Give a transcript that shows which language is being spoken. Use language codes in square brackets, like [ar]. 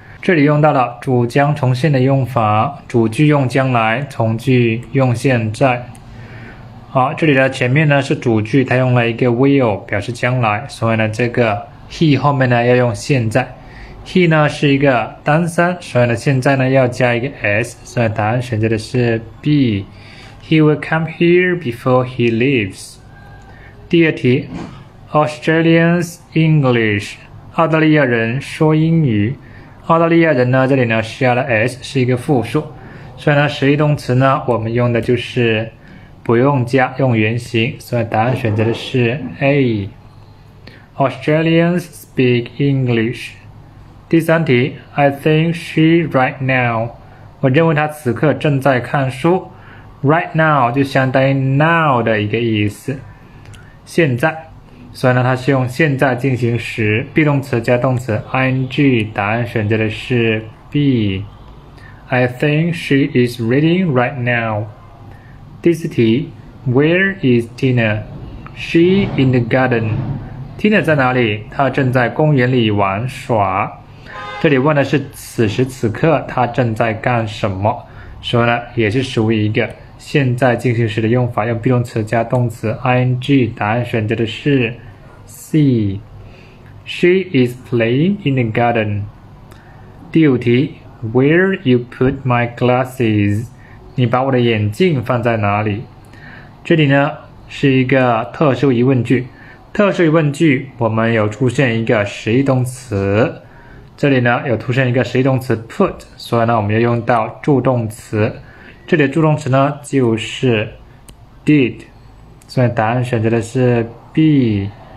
[zh] 这里用到了主将从现的用法，主句用将来，从句用现在。好，这里的前面呢是主句，它用了一个 will 表示将来，所以呢这个 he 后面呢要用现在。 He 呢是一个单三，所以呢现在呢要加一个 s， 所以答案选择的是 B。 [en] He will come here before he leaves。 [zh] 第二题 ， [en] Australians English， [zh] 澳大利亚人说英语。澳大利亚人呢，这里呢是加了 s， 是一个复数，所以呢实义动词呢，我们用的就是不用加，用原形，所以答案选择的是 A。 [en] Australians speak English。 [zh] 第三题 [en] ，I think she right now， [zh] 我认为她此刻正在看书。 Right now 就相当于 now 的一个意思，现在，所以呢它是用现在进行时 ，be 动词加动词 ing， 答案选择的是 B。 [en] I think she is reading right now。 [zh] 第四题 [en] ，Where is Tina？ She in the garden。 [zh] Tina 在哪里？她正在公园里玩耍。这里问的是此时此刻她正在干什么，所以呢也是属于一个。现在进行时的用法，用 be 动词加动词 ing， 答案选择的是 C。 [en] She is playing in the garden。 [zh] 第五题 [en] ，Where you put my glasses？ [zh] 你把我的眼镜放在哪里？这里呢是一个特殊疑问句。特殊疑问句，我们有出现一个实义动词，这里呢有出现一个实义动词 put， 所以呢我们要用到助动词。这里的助动词呢就是 did， 所以答案选择的是 B。